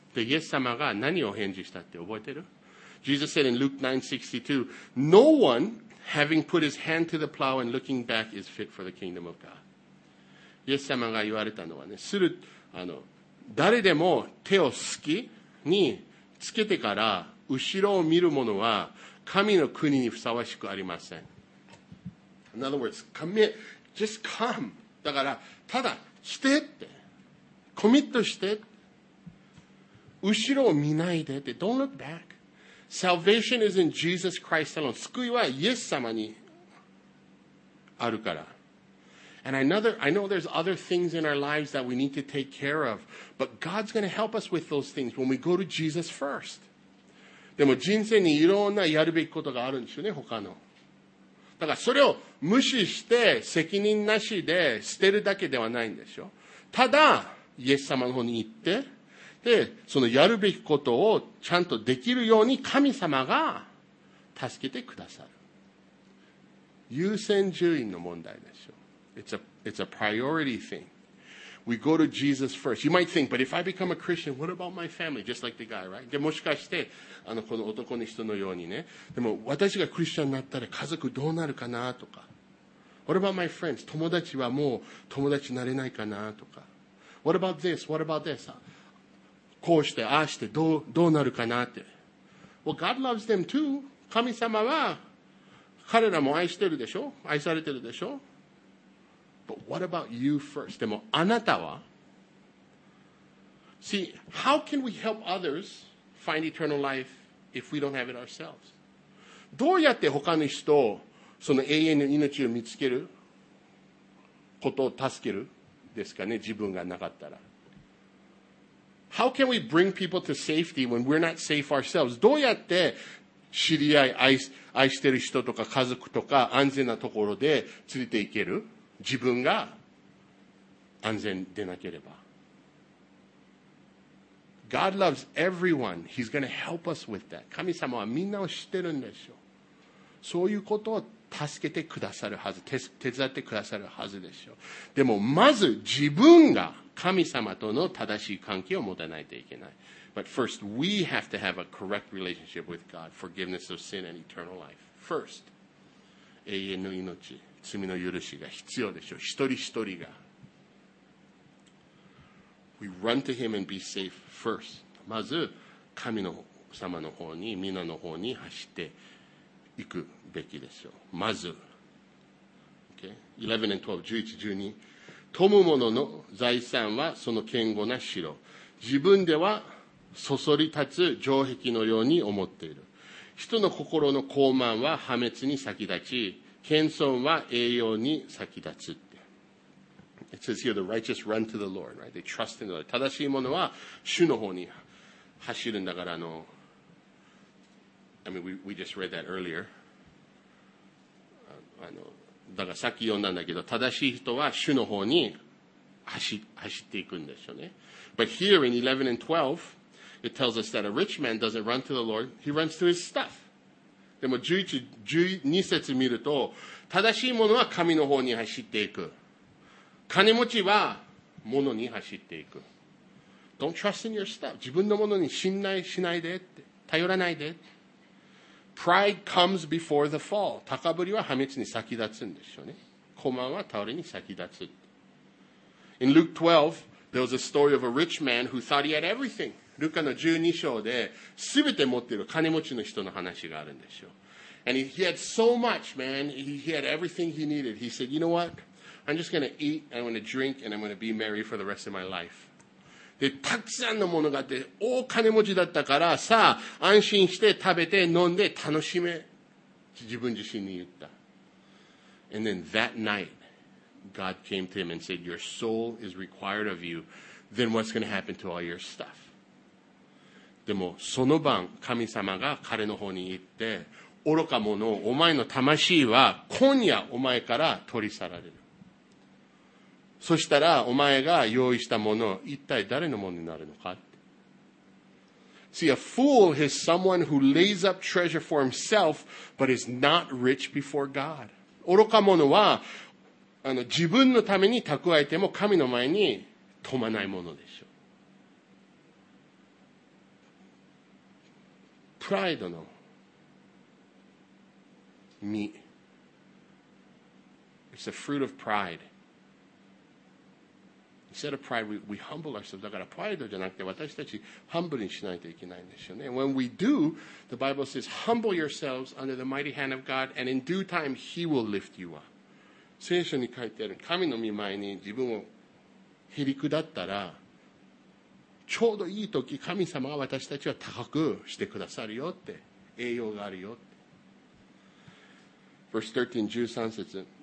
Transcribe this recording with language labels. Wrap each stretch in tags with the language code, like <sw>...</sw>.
<ja>で、イエス様が何を返事したって覚えてる ？</ja> <en>Jesus said in Luke 9:62, "No one having put his hand to the plow and looking back is fit for the kingdom of God."</en> <ja>イエス様が言われたのはね、するあの誰でも手をすきにつけてから。後ろを見る者は神の国にふさわしくありません。</ja> <en>In other words, commit, just come.</en> <ja>だから、ただ、してって。コミットして。後ろを見ないでって。</ja> <en>Don't look back. Salvation is in Jesus Christ alone.</en> <ja>救いはイエス様にあるから。</ja> <en>And I know there's other things in our lives that we need to take care of, but God's going to help us with those things when we go to Jesus first.</en> <ja>でも人生にいろんなやるべきことがあるんですよね、他の。だからそれを無視して責任なしで捨てるだけではないんでしょ。ただ、イエス様の方に行って、で、そのやるべきことをちゃんとできるように神様が助けてくださる。優先順位の問題でしょ。</ja> <en>It's a priority thing. We go to Jesus first. You might think, but if I become a Christian, what about my family? Just like the guy, right?</en> <ja>で、もしかして、あのこの男の人のようにね。でも私がクリスチャンになったら家族どうなるかなとか。</ja> <en>What about my friends?</en> <ja>友達はもう友達になれないかなとか。</ja> <en>What about this? What about this?</en> <ja>こうして、ああして、どうなるかなって。</ja> <en>Well, God loves them too.</en> <ja>神様は彼らも愛してるでしょ？愛されてるでしょ？</ja> <en>But what about you first?</en> <ja>でもあなたは？</ja> <en>See, how can we help others? Find eternal life if we don't have it ourselves.</en> <ja>どうやって他の人をその永遠の命を見つけることを助けるですかね、自分がなかったら。</ja> <en>How can we bring people to safety when we're not safe ourselves?</en> <ja>どうやって知り合い、愛してる人とか家族とか安全なところで連れていける自分が安全でなければ。</ja> <en>God loves everyone. He's going to help us with that.</en> <ja>神様はみんなを知ってるんでしょう。そういうことを助けてくださるはず、手伝ってくださるはずでしょう。でも、まず自分が神様との正しい関係を持たないといけない。</ja> <en>But first, we have to have a correct relationship with God, forgiveness of sin and eternal life.</en> <ja>First, 永遠の命、罪の許しが必要でしょう。一人一人が。</ja> <en>We run to Him and be safe.</en> <ja>First, まず神の様の方に、皆の方に走っていくべきでしょう。まず、</ja> <en>11 and 12,</en> <ja>11, 12、富む者の財産はその堅固な城、自分ではそそり立つ城壁のように思っている。人の心の高慢は破滅に先立ち、謙遜は栄養に先立つ。</ja> <en>It says here, the righteous run to the Lord, right? They trust in the Lord.</en> <ja>正しいものは主の方に走るんだから、</ja> <en>I mean, we just read that earlier.</en> <ja>だからさっき読んだんだけど、正しい人は主の方に走っていくんですよね。</ja> <en>But here in 11 and 12, it tells us that a rich man doesn't run to the Lord, he runs to his stuff.</en> <ja>でも11、12節見ると、正しいものは神の方に走っていく。金持ちは物に走っていく。</ja> <en>Don't trust in your stuff.</en> <ja>自分のものに信頼しないでって。頼らないで。</ja> <en>Pride comes before the fall.</en> <ja>高ぶりは破滅に先立つんですよね。傲慢は倒れに先立つ。</ja> <en>In Luke 12, there was a story of a rich man who thought he had everything.</en> <ja>ルカの12章で全て持っている金持ちの人の話があるんですよ。</ja> <en>And he had so much, man. He had everything he needed. He said, you know what? I'm just going to eat, I'm going to drink, and I'm going to be merry for the rest of my life.</en> <ja>で、たくさんのものがあって、大金持ちだったから、さあ、安心して食べて飲んで楽しめ。自分自身に言った。</ja> <en>And then that night, God came to him and said, your soul is required of you, then what's going to happen to all your stuff?</en> <ja>でも、その晩、神様が彼の方に行って、愚か者を、お前の魂は今夜お前から取り去られる。そしたらお前が用意したもの一体誰のものになるのか。</ja> <en>See, a fool is someone who lays up treasure for himself but is not rich before God.</en> <ja>愚か者は自分のために蓄えても神の前に富まないものでしょう。プライドの実。</ja> <en>It's the fruit of pride. Instead of pride, we humble ourselves.</en> <ja>だからプライドじゃなくて私たちハンブルにしないといけないんですよね。</ja> <en>When we do, the Bible says, humble yourselves under the mighty hand of God, and in due time, He will lift you up.</en> <ja>聖書に書いてある神の御前に自分をへりくだったら、ちょうどいい時、神様が私たちは高くしてくださるよって、栄養があるよって。</ja> <en>Verse 13, 13節。</en>